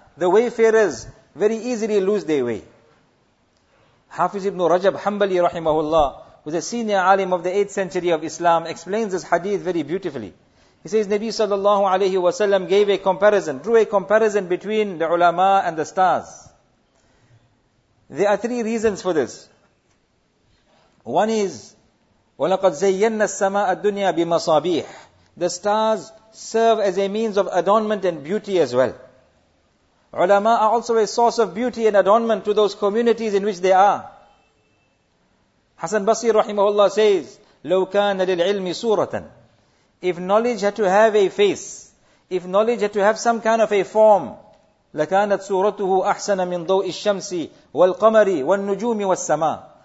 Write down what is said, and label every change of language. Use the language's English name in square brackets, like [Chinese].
[English] The wayfarers very easily lose their way. Hafiz ibn Rajab Hanbali rahimahullah, who's a senior alim of the 8th century of Islam, explains this hadith very beautifully. He says, Nabi sallallahu alayhi wa sallam gave a comparison, drew a comparison between the ulama and the stars. There are three reasons for this. One is, [Arabic] وَلَقَدْ زَيَّنَّ السَّمَاءَ الدُّنْيَا بِمَصَابِيحِ. [English] The stars serve as a means of adornment and beauty as well. Ulama are also a source of beauty and adornment to those communities in which they are. Hasan Basri rahimahullah says, [Arabic] لَوْ كَانَ لِلْعِلْمِ سُورَةً. [English] If knowledge had to have a face, if knowledge had to have some kind of a form, [Arabic] لَكَانَتْ سُورَتُهُ أَحْسَنَ مِنْ ضَوْءِ الشَّمْسِ وَالْقَمَرِ وَالنُّجُومِ وَالسَّمَاءِ.